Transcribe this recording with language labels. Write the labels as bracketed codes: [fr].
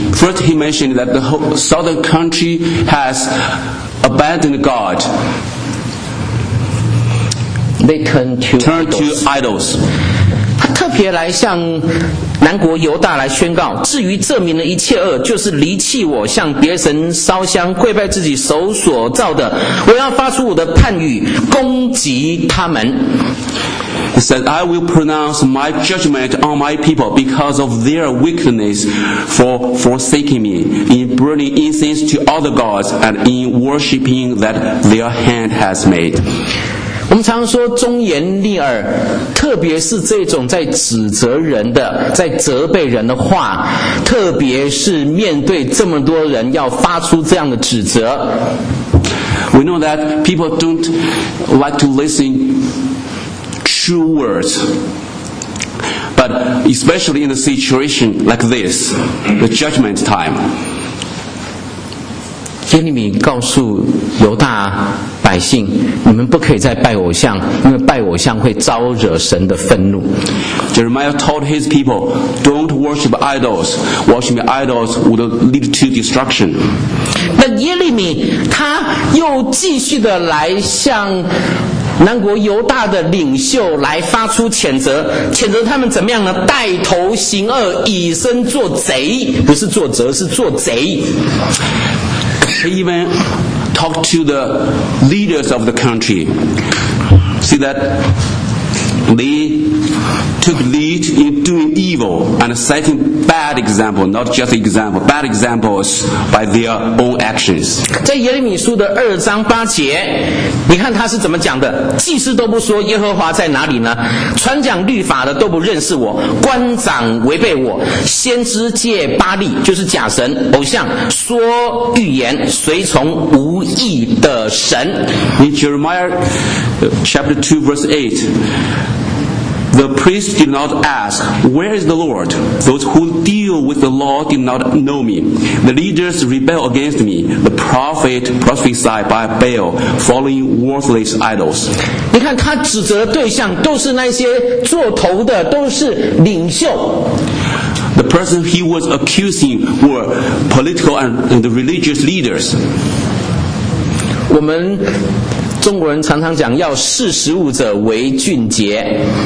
[en] First, he mentioned that the whole southern country has abandoned God. They turn to idols. [zh] 他特别来向南国犹大来宣告，至于这民的一切恶，就是离弃我，向别神烧香，跪拜自己手所造的，我要发出我的判语，攻击他们。 [en] He said, I will pronounce my judgment on my people because of their wickedness for forsaking me, in burning incense to other gods and in worshipping that their hand has made. [zh] 我们常说忠言逆耳，特别是这种在指责人的，在责备人的话，特别是面对这么多人要发出这样的指责。 [en] We know that people don't like to listen true words, but especially in a situation like this, the judgment time. [zh] 耶利米告诉犹大百姓，你们不可以再拜偶像，因为拜偶像会招惹神的愤怒。 [en] Jeremiah told his people, don't worship idols. Worshiping idols would lead to destruction. [zh] 那耶利米他又继续的来向南国犹大的领袖来发出谴责，谴责他们怎么样呢？带头行恶，以身作贼，不是作贼，是作贼。 [en] He even talked to the leaders of the country. See that they took lead in doing evil and setting bad example, not just example, bad examples by their own actions. [zh] 在耶利米书的二章八节，你看他是怎么讲的？祭司都不说耶和华在哪里呢？传讲律法的都不认识我，官长违背我，先知借巴利就是假神偶像说预言，随从无义的神。 [en] In Jeremiah chapter 2 verse 8,The priest did not ask, where is the Lord? Those who deal with the law did not know me. The leaders rebel against me. The prophet prophesied by Baal, following worthless idols. [zh] 你看他指责的对象都是那些做头的，都是领袖。 [en] The person he was accusing were political and religious leaders. [zh] 我们中国人常常讲要识时务者为俊杰。